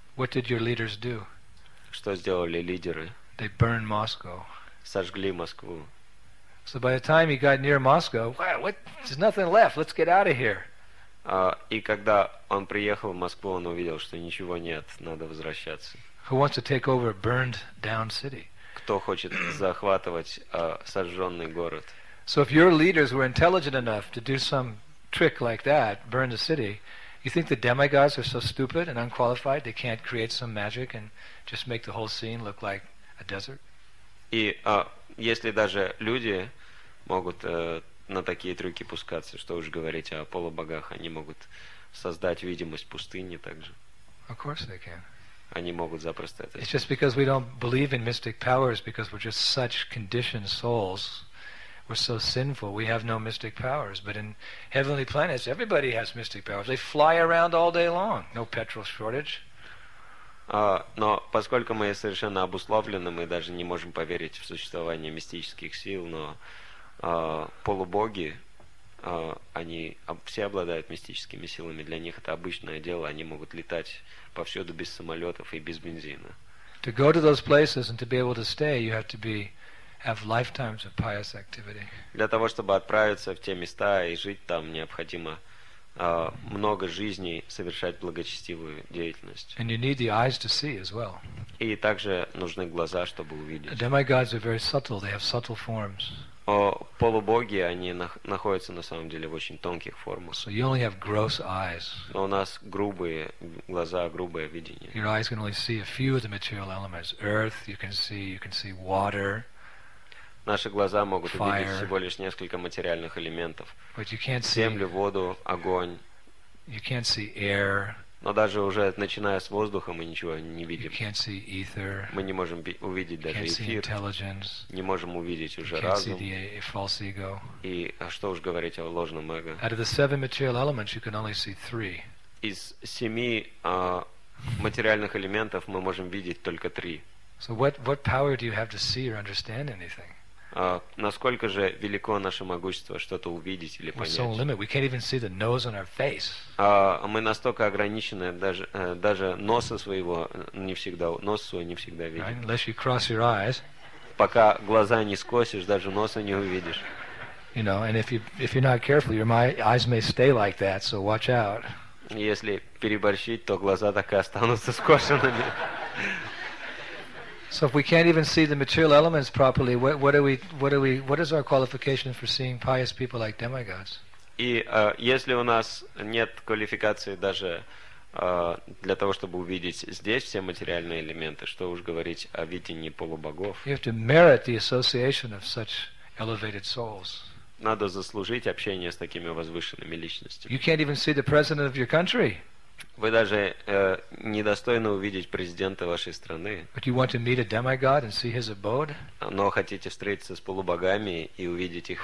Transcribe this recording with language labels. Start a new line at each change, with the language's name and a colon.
English: What did your leaders do?
Russian: Что сделали лидеры?
English: They burned Moscow.
Russian: Сожгли Москву.
English: So by the time he got near Moscow, wow, what? There's nothing left. Let's get out of here.
Russian: И когда он приехал в Москву, он увидел, что ничего нет, надо возвращаться.
English: Who wants to take over a burned down city?
Russian: Кто хочет захватывать сожженный город?
English: So if your leaders were intelligent enough to do some trick like that, burn the city, you think the demigods are so stupid and unqualified they can't create some magic and just make the whole scene look like a desert?
Russian: И если даже люди могут на такие трюки пускаться, что уж говорить о полубогах, они могут создать видимость пустыни также.
English: Of course they can.
Russian: Они могут запросто это.
English: It's just because we don't believe in mystic powers because we're just such conditioned souls. We're so sinful. We have no mystic powers. But in heavenly planets, everybody has mystic powers. They fly around all day long. No petrol shortage.
Russian: Но поскольку мы совершенно обусловлены, мы даже не можем поверить в существование мистических сил, но полубоги, они все обладают мистическими силами. Для них это обычное дело. Они могут летать повсюду без самолетов и без бензина.
English: To go to those places and to be able to stay, you have to be have lifetimes of pious activity.
Russian: Для того, чтобы отправиться в те места и жить там, необходимо много жизней совершать благочестивую деятельность.
English: And you need the eyes to see as well.
Russian: И также нужны глаза, чтобы увидеть.
English: The demigods are very subtle. They have subtle forms.
Russian: Полубоги, они находятся на самом деле в очень тонких формах.
English: So you only have gross eyes.
Russian: Но у нас грубые глаза, грубое видение.
English: Your eyes can only see a few of the material elements. Earth, you can see water.
Russian: Наши глаза могут увидеть всего лишь несколько материальных элементов. Землю, воду, огонь.
English: You can't see air.
Russian: Но даже уже начиная с воздуха, мы ничего не видим.
English: You can't see ether.
Russian: Мы не можем увидеть даже эфир. Не можем увидеть уже разум.
English: You can't see the false ego.
Russian: И что уж говорить о ложном эго.
English: Out of the seven material elements, you can only see three.
Russian: Из семи материальных элементов мы можем видеть только три.
English: So what power do you have to see or understand anything?
Russian: Насколько же велико наше могущество что-то увидеть или понять?
English: We're so limited. We can't even see the nose on our face.
Russian: Мы настолько ограничены, даже нос свой не всегда видим.
English: Right? Unless you cross your eyes.
Russian: Пока глаза не скосишь, даже носа не увидишь.
English: You know, and if you're not careful, your eyes may stay like that. So watch out.
Russian: Если переборщить, то глаза так и останутся скошенными.
English: So if we can't even see the material elements properly, what is our qualification for seeing pious people like demigods?
Russian: И если у нас нет квалификации даже для того, чтобы увидеть здесь все материальные элементы, что уж говорить о видении полубогов.
English: You have to merit the association of such elevated souls.
Russian: Надо заслужить общение с такими возвышенными личностями.
English: You can't even see the president of your country.
Russian: Вы даже недостойны увидеть президента вашей страны.
English: But you want to meet a demigod and see his abode?
Russian: Но хотите встретиться с полубогами и увидеть их